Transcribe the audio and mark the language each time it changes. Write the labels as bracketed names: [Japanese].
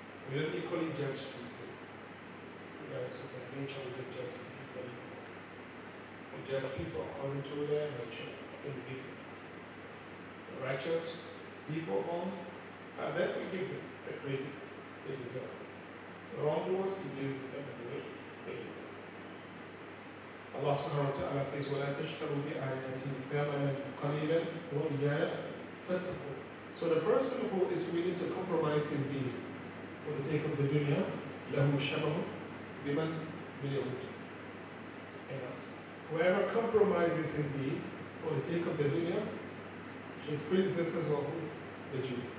[English] We don't equally judge people. Regardless of their nature, we just judge people. We judge people according to their nature, individually. The righteous, people homes, and then we give them the credit they deserve. The wrongdoers, we give them the way they deserve. Allah subhanahu wa ta'ala says, [Arabic] وَلَا تَشْتَرُوا بِآيَاتِي ثَمَنًا قَلِيلًا وَإِيَّايَ فَاتَّقُوا. [English] So the person who is willing to compromise his deen for the sake of the dunya, [Arabic] لَهُ شَبَهُ بِمَنْ بِالْيَهُودِ. [English] Whoever compromises his deen for the sake of the dunya, his predecessors were who? The Jew.